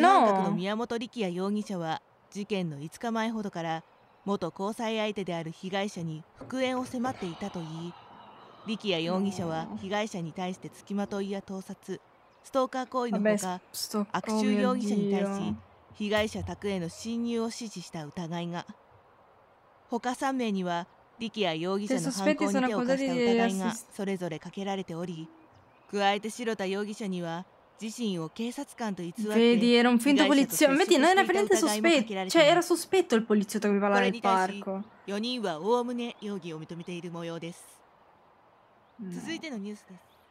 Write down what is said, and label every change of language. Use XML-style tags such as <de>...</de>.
<ja>の宮本力也容疑者は事件の5日前ほどから元交際相手である被害者に復縁を迫っていたといい、力也容疑者は被害者に対してつきまといや盗撮、ストーカー行為のほか、悪臭容疑者に対し被害者宅への侵入を指示した疑いが、他3名には力也容疑者の犯行に手を貸した疑いがそれぞれかけられており、加えて白田容疑者には自身を警察官と偽って被害者と接触していた疑いもかけられています。</ja> <it>Vedi, era un finto poliziotto. Metti, non era veramente sospetto. Cioè, era sospetto il poliziotto che mi parlava nel parco.</it> <ja>4人は概ね容疑を認めている模様です。続いてのニュースです。</ja>